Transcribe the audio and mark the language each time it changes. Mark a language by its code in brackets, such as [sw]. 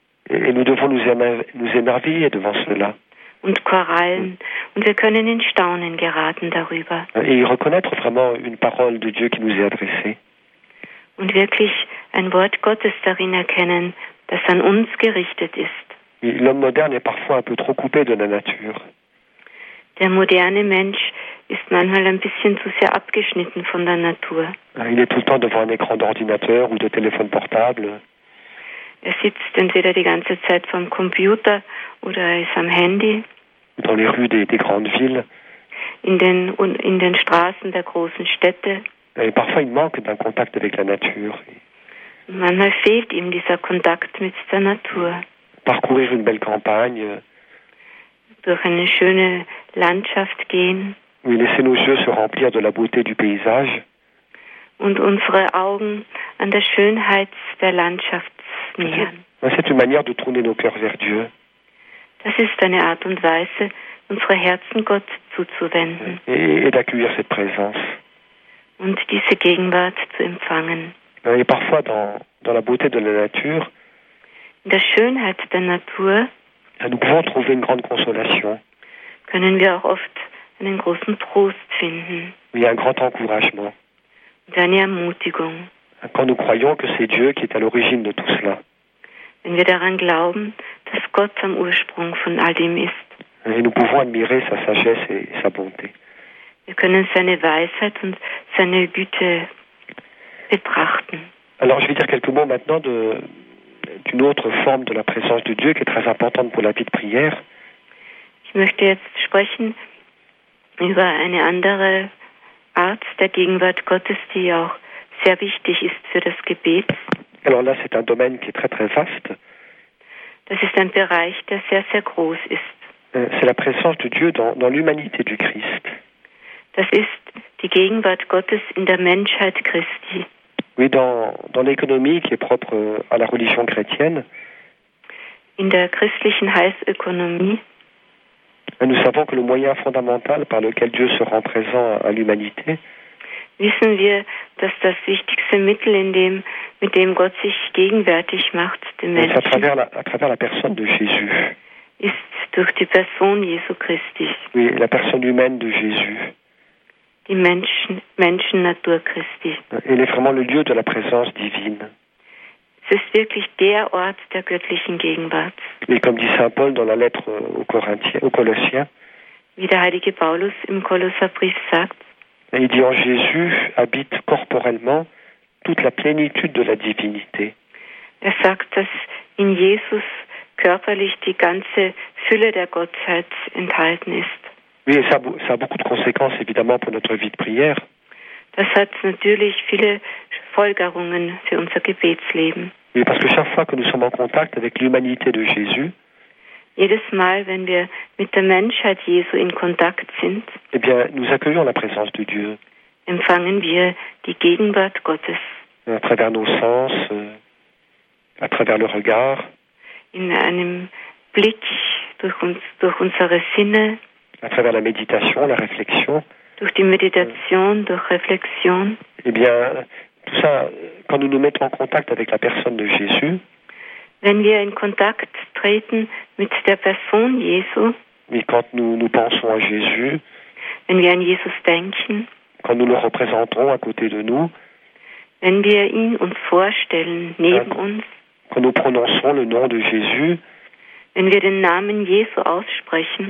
[fr] Et nous devons nous émerveiller devant cela. [de] Und Korallen. Und wir können in Staunen geraten darüber. [fr] Et reconnaître vraiment une parole de Dieu qui nous est adressée. [de] Und wirklich ein Wort Gottes darin erkennen, das an uns gerichtet ist. [fr] L'homme moderne est parfois un peu trop coupé de la nature. [de] Der moderne Mensch ist manchmal ein bisschen zu sehr abgeschnitten von der Natur. [fr] Il est tout le temps devant un écran d'ordinateur ou de téléphone portable. [de] Er sitzt entweder die ganze Zeit vorm Computer oder ist am Handy. [fr] Dans les rues des grandes villes. [de] In den Straßen der großen Städte. [fr] Et parfois il manque d'un contact avec la nature. [de] Manchmal fehlt ihm dieser Kontakt mit der Natur. [fr] Parcourir une belle campagne. [de] Durch eine schöne Landschaft gehen. [fr] Oui, laisser nos yeux se remplir de la beauté du paysage. [de] Und unsere Augen an der Schönheit der Landschaft nähern. [fr] C'est une manière de tourner nos cœurs vers Dieu. [de] Das ist eine Art und Weise, unsere Herzen Gott zuzuwenden. [fr] Et d'accueillir cette présence. [de] Und diese Gegenwart zu empfangen. [fr] Et parfois dans la beauté de la nature. [de] In der Schönheit der Natur. [fr] Nous pouvons trouver une grande consolation. [de] Können wir auch oft einen großen Trost finden. [fr] Oui, un grand encouragement. [de] Eine Ermutigung. [fr] Quand nous croyons que c'est Dieu qui est à l'origine de tout cela. [de] Wenn wir daran glauben, dass Gott am Ursprung von all dem ist. [fr] Et nous pouvons admirer sa sagesse et sa bonté. [de] Wir können seine Weisheit und seine Güte betrachten. [fr] Alors, je vais dire quelques mots maintenant d'une autre forme de la présence de Dieu qui est très importante pour la vie de prière. [de] Ich möchte jetzt sprechen über eine andere Art der Gegenwart Gottes, die auch sehr wichtig ist für das Gebet. [fr] Alors là, c'est un domaine qui est très très vaste. [de] Das ist ein Bereich, der sehr sehr groß ist. [fr] C'est la présence de Dieu dans l'humanité du Christ. [de] Das ist die Gegenwart Gottes in der Menschheit Christi. [fr] Oui, dans l'économie qui est propre à la religion chrétienne. [de] In der christlichen Heilsökonomie. [fr] Et nous savons que le moyen fondamental par lequel Dieu se rend présent à l'humanité. [de] Wissen wir, dass das wichtigste Mittel, mit dem Gott sich gegenwärtig macht, den Menschen. [fr] C'est à travers la personne de Jésus. [de] Ist durch die Person Jesu Christi. [fr] Oui, la personne humaine de Jésus. [de] Die Menschennatur Christi. [fr] Il est vraiment le lieu de la présence divine. [de] Es ist wirklich der Ort der göttlichen Gegenwart. [fr] Et comme dit Saint Paul dans la lettre aux Colossiens. [de] Wie der heilige Paulus im Kolosserbrief sagt. [fr] Il dit en Jésus habite corporellement toute la plénitude de la divinité. [de] Er sagt, dass in Jesus körperlich die ganze Fülle der Gottheit enthalten ist. [fr] Oui, et ça a beaucoup de conséquences évidemment pour notre vie de prière. [de] Das hat natürlich viele Folgerungen für unser Gebetsleben. [fr] Oui, parce que chaque fois que nous sommes en contact avec l'humanité de Jésus, [de] jedes Mal, wenn wir mit der Menschheit Jesu in Kontakt sind, [fr] eh bien, nous accueillons la présence de Dieu. [de] Empfangen wir die Gegenwart Gottes. [fr] À travers nos sens, à travers le regard. [de] In einem Blick durch unsere Sinne. [fr] À travers la méditation, la réflexion. [de] Durch die Meditation, durch Reflexion. [fr] Eh bien, tout ça, quand nous nous mettons en contact avec la personne de Jésus. [de] Wenn wir in Kontakt treten mit der Person Jesu. [fr] Oui, quand nous pensons à Jésus. [de] Wenn wir an Jesus denken. [fr] Quand nous le représentons à côté de nous. [de] Wenn wir ihn uns vorstellen neben uns. [fr] Quand nous prononçons le nom de Jésus. [de] Wenn wir den Namen Jesu aussprechen.